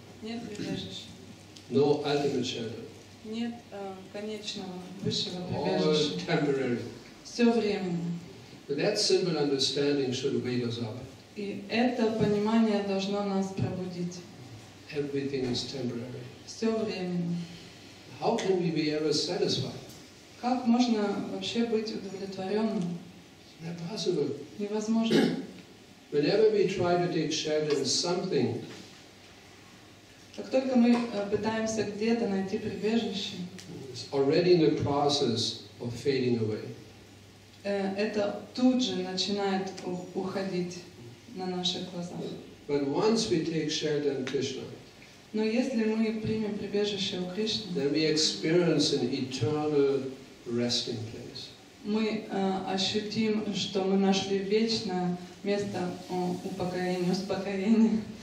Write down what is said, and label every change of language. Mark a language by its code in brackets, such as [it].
[ru] Нет прибежища. [en] No ultimate shadow. [ru] Нет конечного высшего прибежища. [en] All temporary. [ru] Все временно. [en] But that simple understanding should wake us up. [ru] И это понимание должно нас пробудить. [en] Everything is temporary. [ru] Все временно. [en] How can we be ever satisfied? [ru] Как можно вообще быть удовлетворенным? [en] Not possible. [ru] Невозможно. [en] Whenever we try to take shelter in something. [ru] Как только мы пытаемся где-то найти прибежище. [en] It's already in the process of fading away. [ru] Это тут же начинает уходить на наших глазах. [en] But once we take shelter in Krishna. [ru] Но если мы примем прибежище у Кришны, [en] then we experience an eternal resting place. [ru] Мы ощутим, что мы нашли вечное место упокоения, успокоения.